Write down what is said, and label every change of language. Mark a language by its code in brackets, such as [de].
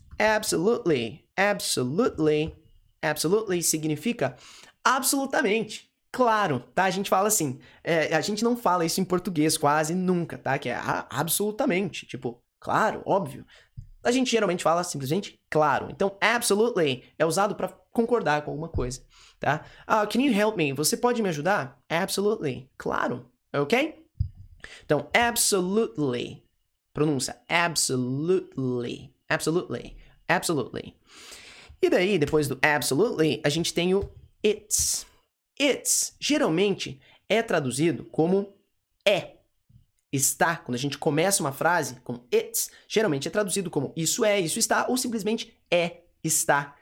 [pt] Absolutely, absolutely, absolutely significa absolutamente, claro, tá? A gente fala assim, a gente não fala isso em português quase nunca, tá? Que é absolutamente, tipo, claro, óbvio. A gente geralmente fala simplesmente claro. Então, absolutely é usado para concordar com alguma coisa, tá? [en] Can you help me? [pt] Você pode me ajudar? Absolutely, claro, ok? Então, absolutely, pronúncia absolutely, absolutely. Absolutely. E daí, depois do absolutely, a gente tem o it's. It's geralmente é traduzido como é. Está. Quando a gente começa uma frase com it's, geralmente é traduzido como isso é, isso está, ou simplesmente é, está.